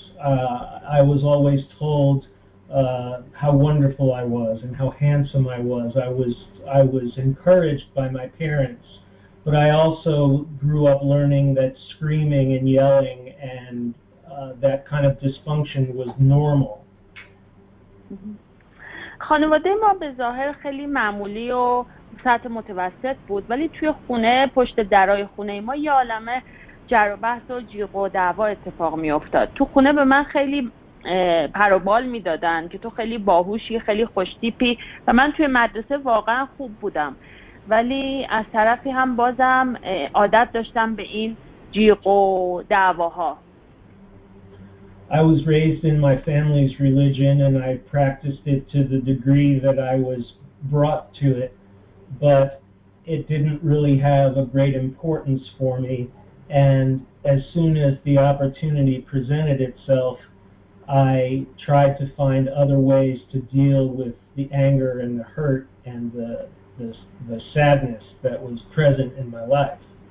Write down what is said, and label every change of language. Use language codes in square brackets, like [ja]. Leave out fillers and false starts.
[en] I was always told how wonderful I was and how handsome I was. I was encouraged by my parents, but I also grew up learning that screaming and yelling and that kind of dysfunction was normal. [fa] خانواده ما به ظاهر خیلی معمولی و سطح متوسط بود، ولی توی خونه پشت درهای خونه ما یه عالمه جر و بحث و جیغ و دعوا اتفاق می افتاد. تو خونه به من خیلی پروبال می دادن که تو خیلی باهوشی، خیلی خوشتیپی و من توی مدرسه واقعا خوب بودم، ولی از طرفی هم بازم عادت داشتم به این جیغ و دعواها. [en] I was raised in my family's religion and I practiced it to the degree that I was brought to it, but it didn't really have a great importance for me, and as soon as the opportunity presented itself, I tried to find other ways to deal with the anger and the hurt and the sadness that was present in my life.